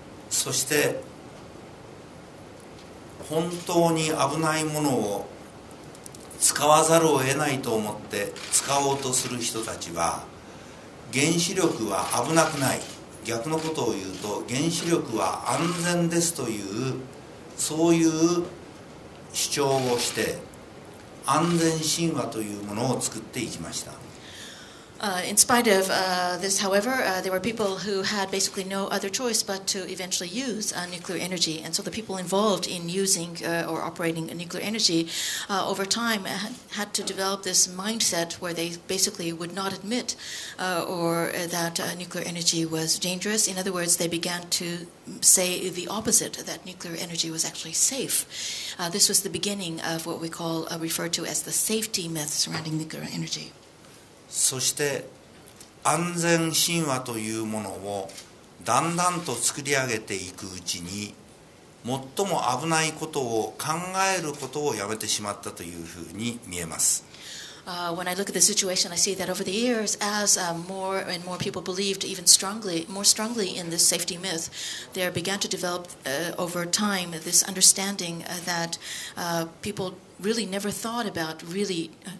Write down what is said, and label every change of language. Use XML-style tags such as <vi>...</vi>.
<ja>そして本当に危ないものを使わざるを得ないと思って使おうとする人たちは、原子力は危なくない。逆のことを言うと、原子力は安全ですという、そういう主張をして、安全神話というものを作っていきました。</ja> <en>In spite of this, however, there were people who had basically no other choice but to eventually use nuclear energy. And so the people involved in using or operating nuclear energy over time had to develop this mindset where they basically would not admit that nuclear energy was dangerous. In other words, they began to say the opposite, that nuclear energy was actually safe. This was the beginning of what we call, referred to as the safety myth surrounding nuclear energy.</en> <ja>そして安全神話というものをだんだんと作り上げていくうちに、最も危ないことを考えることをやめてしまったというふうに見えます。</ja> <en>When I look at the situation, I see that over the years, as more and more people believed even strongly, more strongly in this safety myth, there began to develop over time this understanding that people really never thought about really.</en>